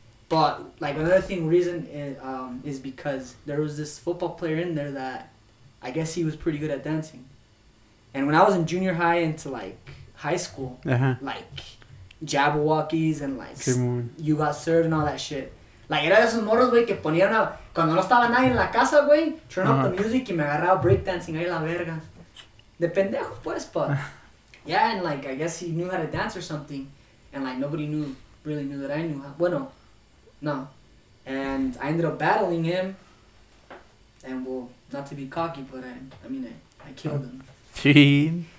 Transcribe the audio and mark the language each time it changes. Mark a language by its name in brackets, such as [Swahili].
[English] But, like, another thing, reason is because there was this football player in there that I guess he was pretty good at dancing. And when I was in junior high into, like, high school, uh-huh. Like, Jabberwockies and, like, You Got Served and all that shit, [Spanish] Like, era de esos morros, güey, que ponían a... Cuando no estaba nadie en la casa, güey, [English] turn up the music [Spanish] y me agarraba breakdancing ahí a la verga. De pendejo, pues, [English] but... Yeah, and, like, I guess he knew how to dance or something. And, like, nobody really knew that I knew how... [Spanish] Bueno, no. [English] And I ended up battling him. And, well, not to be cocky, but I mean, I killed him. Gene.